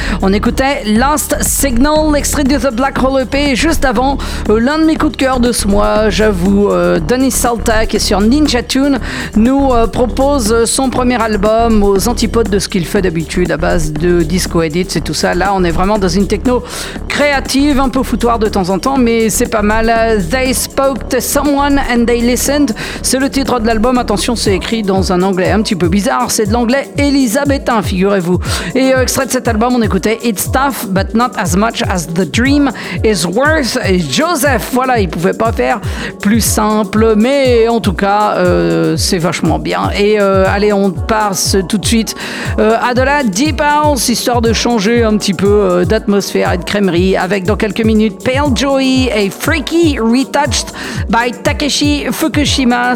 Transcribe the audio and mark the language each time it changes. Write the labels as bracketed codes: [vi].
[fr] On écoutait Last Signal, extrait de The Black Hole EP, juste avant l'un de mes coups de cœur de ce mois, j'avoue. Denis Salta, qui est sur Ninja Tune, nous propose son premier album aux antipodes de ce qu'il fait d'habitude, à base de disco edits et tout ça. Là, on est vraiment dans une techno créative, un peu foutoir de temps en temps, mais c'est pas mal. [en] They spoke to someone and they listened. [fr] C'est le titre de l'album. Attention, c'est écrit dans un anglais un petit peu bizarre. C'est de l'anglais élisabétain, figurez-vous. Et extrait de cet album, on écoutait [en] It's tough, but not as much as the dream is worth. [fr] Et Joseph, voilà, il pouvait pas faire plus simple, mais en tout cas, c'est vachement bien. Et allez, on passe tout de suite à de la Deep House, histoire de changer un petit peu d'atmosphère et de crèmerie, avec dans quelques minutes Pale Joy et Freaky Retouched by Takeshi Fukushima.